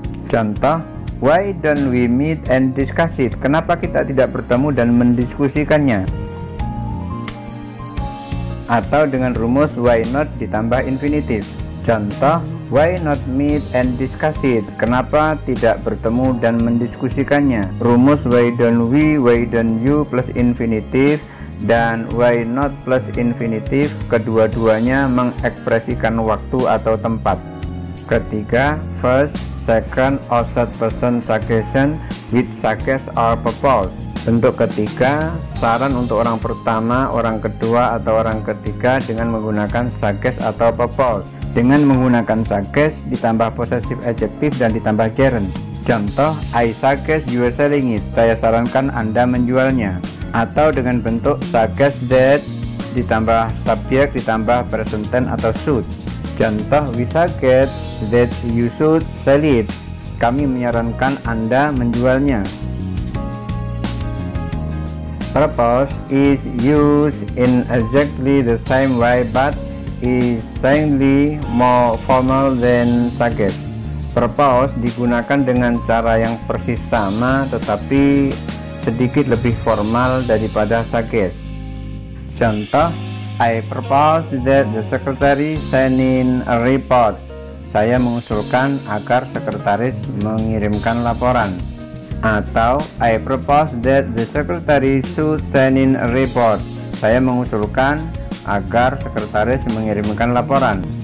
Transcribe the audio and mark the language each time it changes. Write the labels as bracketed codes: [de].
[en] Contoh, why don't we meet and discuss it? [id] Kenapa kita tidak bertemu dan mendiskusikannya? Atau dengan rumus [en] why not ditambah infinitif. Contoh, why not meet and discuss it? [id] Kenapa tidak bertemu dan mendiskusikannya? Rumus [en] why don't we, why don't you [id] plus infinitif dan why not plus infinitif, kedua-duanya mengekspresikan waktu atau tempat. [en] Ketiga, first, second, or third person suggestion with suggest or propose. [id] Bentuk ketiga, saran untuk orang pertama, orang kedua, atau orang ketiga dengan menggunakan suggest atau propose. Dengan menggunakan suggest, ditambah possessive adjective dan ditambah gerund. [en] Contoh, I suggest you selling it. [id] Saya sarankan Anda menjualnya. Atau dengan bentuk suggest that ditambah subject ditambah present tense atau should. [en] Contoh, we suggest that you should sell it. [id] Kami menyarankan Anda menjualnya. [en] Propose is used in exactly the same way but is slightly more formal than suggest. [id] Propose digunakan dengan cara yang persis sama tetapi sedikit lebih formal daripada suggest. [en] Contoh, I propose that the secretary send in a report. [id] Saya mengusulkan agar sekretaris mengirimkan laporan. [en] Atau, I propose that the secretary should send in a report. [id] Saya mengusulkan agar sekretaris mengirimkan laporan.